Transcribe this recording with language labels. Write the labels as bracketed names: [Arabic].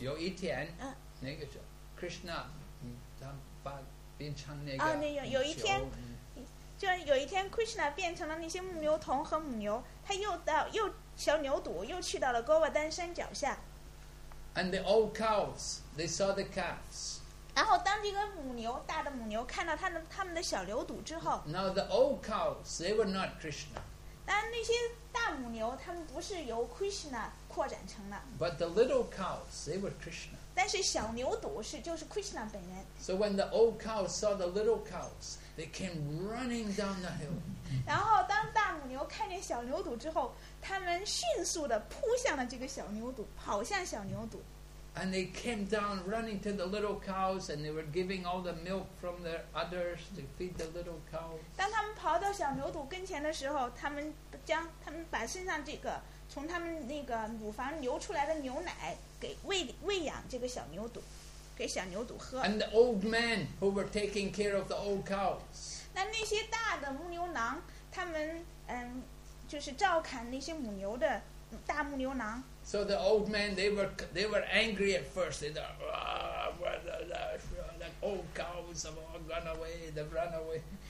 [Chinese] 有一天，那个叫 Krishna， 他把变成那个啊，有一天 ，Krishna 变成了那些牧牛童和母牛，他又小牛犊又去到了 Govardhan 山脚下。 [English] And the old cows, they saw the calves. [Chinese] 然后当这个母牛大的母牛看到他们的小牛犊之后 [English] ，Now the old cows, they were not Krishna. [Chinese] 但那些大母牛，他们不是由 Krishna 扩展成的。 [English] But the little cows, they were Krishna. [Chinese] 但是小牛犊就是 Krishna 本人。 [English] So when the old cows saw the little cows, they came running down the hill. [Chinese] 然后当大母牛看见小牛犊之后，他们迅速地扑向了这个小牛犊，跑向小牛犊。 [English] And they came down running to the little cows, and they were giving all the milk from their udders to feed the little cows. [Chinese] 当他们跑到小牛犊跟前的时候，他们将他们把身上这个从他们那个乳房流出来的牛奶给喂养这个小牛犊，给小牛犊喝。 [English] And the old men who were taking care of the old cows. [Chinese] 那些大的牧牛郎，他们就是照看那些母牛的大牧牛郎。 [English] So the old men, they were angry at first. They thought, the old cows have all gone away, they've run away.